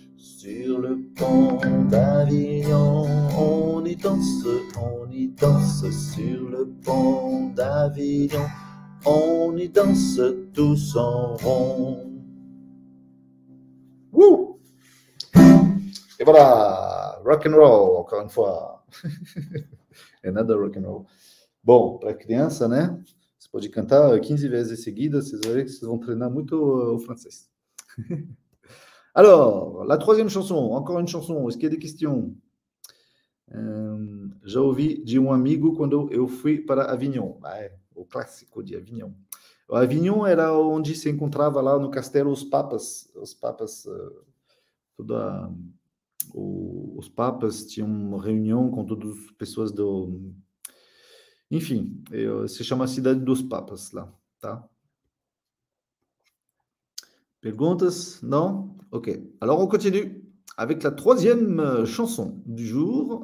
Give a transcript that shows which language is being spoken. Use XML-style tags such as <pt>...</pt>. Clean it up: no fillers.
<fr>Sur le pont d'Avignon, on y danse sur le pont d'Avignon. On y danse tous en rond. Wouh! Et voilà, rock and roll encore une fois.</fr> <en>Another rock and roll. Bon,</en> <pt>para criança, né? Você pode cantar 15 vezes seguidas, vocês vão ver que vocês vão treinar muito o francês.</pt> <fr>Alors, la troisième chanson, encore une chanson, est-ce qu'il y a des questions?</fr> <pt>Já ouvi de amigo quando eu fui para Avignon. Ah, é, o clássico de Avignon. O Avignon era onde se encontrava lá no castelo os papas, toda. Os papas tinham uma reunião com todas as pessoas do. Enfim, se chama Cidade dos Papas lá, tá? Perguntas? Não? Ok.</pt> <fr>Alors, on continue avec la troisième chanson du jour.</fr>